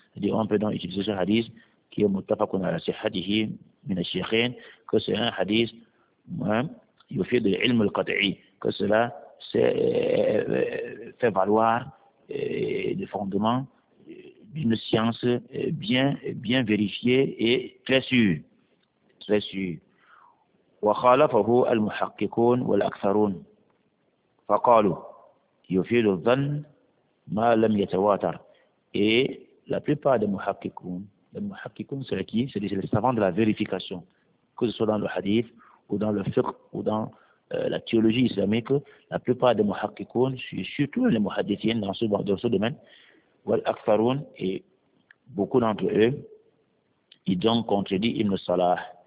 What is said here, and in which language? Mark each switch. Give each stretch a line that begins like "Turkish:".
French: C'est-à-dire, on peut donc utiliser ce hadith qui est muttafaqun ala sihhatihi min ash-shaykhain, que c'est un hadith
Arabic: yufid al-ilm al-qat'i,
French: que cela fait valoir le fondement d'une science bien vérifiée et très sûre.
Arabic: وخالفه المحققون والأكثرون فقالوا يفيد الظن ما لم يتواتر.
French: Et la plupart des muhakkikoun, les muhakkikoun c'est qui? C'est les savants de la vérification, que ce soit dans le hadith ou dans le fiqh ou dans la théologie islamique. La plupart des muhakkikoun, surtout les muhadithiens dans ce domaine, والأكثرون, et beaucoup d'entre eux, ils ont contredit Ibn Salah.